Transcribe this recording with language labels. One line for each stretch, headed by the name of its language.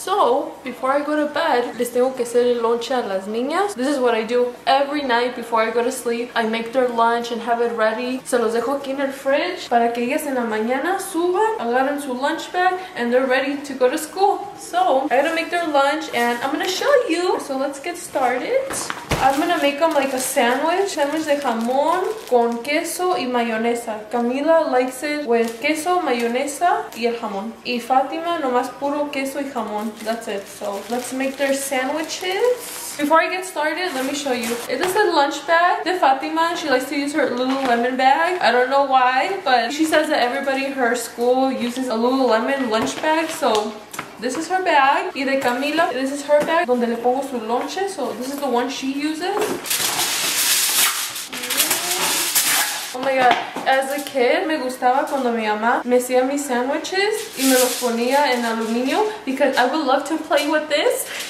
English: So, before I go to bed,
Spanish: les tengo que hacer el lunch a las niñas.
English: This is what I do every night before I go to sleep. I make their lunch and have it ready.
Spanish: Se los dejo aquí en el fridge para que ellas en la mañana suban, agarren su lunch bag,
English: and they're ready to go to school. So, I gotta make their lunch and I'm gonna show you. So, let's get started. I'm gonna make them like a sandwich.
Spanish: Sandwich de jamón con queso y mayonesa.
English: Camila likes it with
Spanish: queso, mayonesa y el jamón. Y Fátima nomás puro queso y jamón.
English: That's it. So let's make their sandwiches. Before I get started, let me show you. It is a lunch bag de Fátima. She likes to use her Lululemon bag. I don't know why, but she says that everybody in her school uses a Lululemon lunch bag. So... this is her bag.
Spanish: Y de Camila,
English: this is her bag.
Spanish: Donde le pongo su lonche.
English: So this is the one she uses. Oh my God. As a kid,
Spanish: me gustaba cuando mi mamá me hacía mis sandwiches y me los ponía en aluminio.
English: Because I would love to play with this.